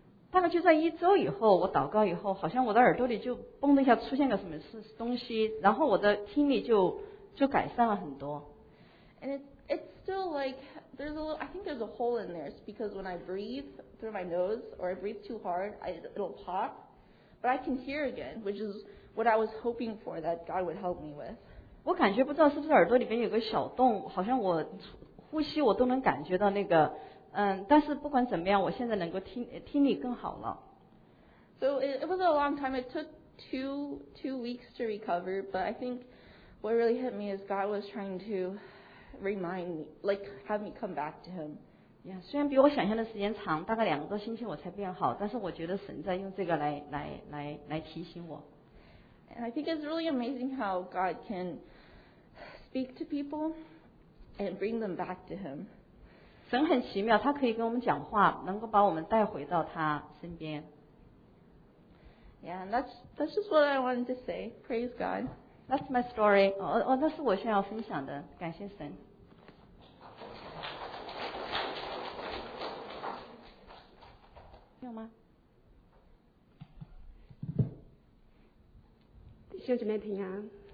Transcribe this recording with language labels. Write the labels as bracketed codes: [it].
[zh] 大概就在一周以后，我祷告以后，好像我的耳朵里就嘣的一下出现个什么东西，然后我的听力就改善了很多。 [en] And it's still like there's a little. I think there's a hole in there. It's because when I breathe through my nose or I breathe too hard, it'll pop. But I can hear again, which is what I was hoping for that God would help me with. [zh] 我感觉不知道是不是耳朵里边有个小洞，好像我呼吸我都能感觉到那个，但是不管怎么样，我现在能够听力更好了。 [en] So it was a long time. It took two weeks to recover. But I think what really hit me is God was trying to. Remind me, like have me come back to him. [zh] Yeah, 虽然比我想象的时间长，大概两个多星期我才变好，但是我觉得神在用这个来提醒我。 [en] And I think it's really amazing how God can speak to people and bring them back to him. [zh] 神很奇妙，他可以跟我们讲话，能够把我们带回到他身边。 [en] Yeah, and that's just what I wanted to say. Praise God. That's my story. [zh] 那是我想要分享的，感谢神。有吗？弟兄姐妹平安。